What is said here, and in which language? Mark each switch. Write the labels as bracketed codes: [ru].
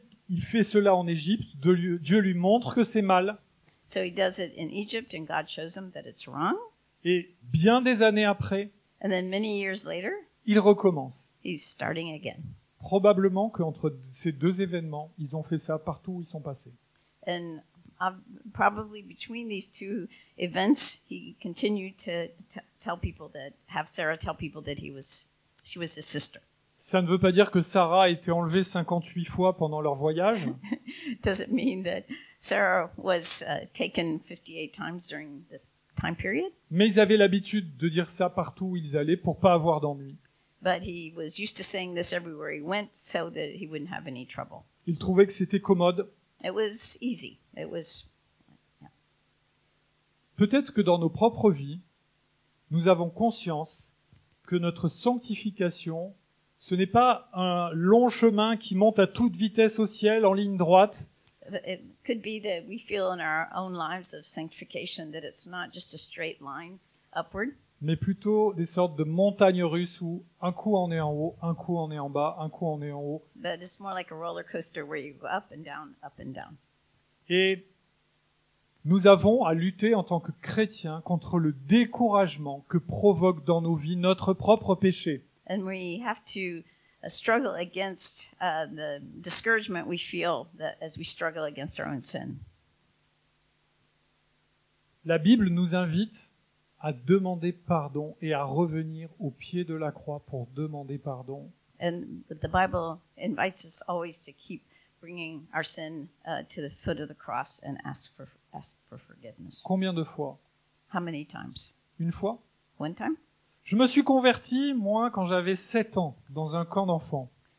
[fr] Il fait cela en Égypte. Dieu lui montre que c'est mal. [en] So he does it in Egypt, and God shows him that it's wrong. [fr] Et bien des années après, [en] and then many years later, [fr] il recommence. [en] He's starting again. [fr] Probablement qu'entre ces deux événements, ils ont fait ça partout où ils sont passés. [en] And probably between these two events, he continued to tell people that have Sarah tell people that she was his sister. [fr] Ça ne veut pas dire que Sarah a été enlevée 58 fois pendant leur voyage. [en] Does it mean that Sarah was taken 58 times during this time period? [fr] Mais ils avaient l'habitude de dire ça partout où ils allaient pour pas avoir d'ennui. [en] But he was used to saying this everywhere he went so that he wouldn't have any trouble. [fr] Il trouvait que c'était commode. [en] It was easy. It was, [fr] Peut-être que dans nos propres vies, nous avons conscience que notre sanctification, ce n'est pas un long chemin qui monte à toute vitesse au ciel en ligne droite. [en] It could be that we feel in our own lives of sanctification that it's not just a straight line upward. [fr] Mais plutôt des sortes de montagnes russes où un coup on est en haut, un coup on est en bas, un coup on est en haut. [en] But it's more like a roller coaster where you go up and down, up and down. [fr] Et Nous avons à lutter en tant que chrétiens contre le découragement que provoque dans nos vies notre propre péché. [en] And we have to struggle against the discouragement we feel that as we struggle against our own sin. [fr] La Bible nous invite à demander pardon et à revenir au pied de la croix pour demander pardon. [en] And the Bible invites us always to keep bringing our sin to the foot of the cross and ask for forgiveness. [fr] Combien de fois? [en] How many times? [fr] Une fois? [en] One time? [fr] Je me suis converti, moi, quand j'avais 7 ans, dans un camp d'enfants.